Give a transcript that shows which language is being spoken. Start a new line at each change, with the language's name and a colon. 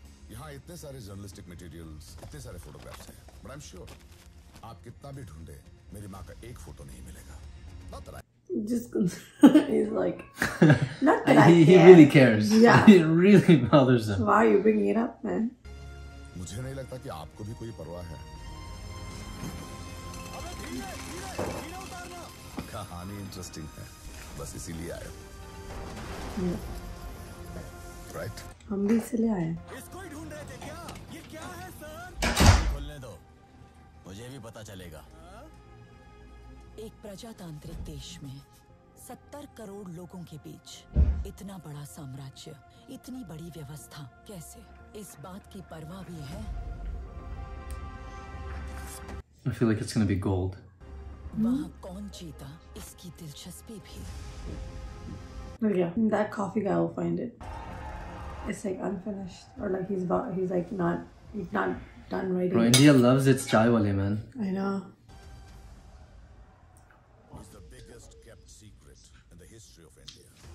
Hindi: यहाँ इतने सारे
English: journalistic materials,
Hindi: इतने सारे photographs हैं.
English: But I'm sure,
Hindi: आप कितना भी ढूंढे, मेरी माँ का एक फोटो नहीं मिलेगा.
English: Not that I. Just he's like. Not that he, He really cares. Yeah. It really bothers him. Why are you bringing it up, man?
Hindi: मुझे नहीं लगता कि आपको भी कोई परवाह है कहानी इंटरेस्टिंग है बस इसीलिए आए राइट हम भी इसीलिए आए इसको ही ढूंढ रहे थे क्या ये क्या है सर खोलने दो मुझे भी पता चलेगा एक प्रजातांत्रिक देश में 70 करोड़ लोगों के बीच इतना बड़ा साम्राज्य इतनी बड़ी व्यवस्था कैसे इस बात की परवाह भी है
English: I feel like it's gonna be gold.
Hindi: वहाँ कौन जीता इसकी दिलचस्पी भी
English: Yeah, that coffee guy will find it. It's like unfinished or like he's not done writing. Bro, India loves its chai wale man. I know. best kept secret in the history of India.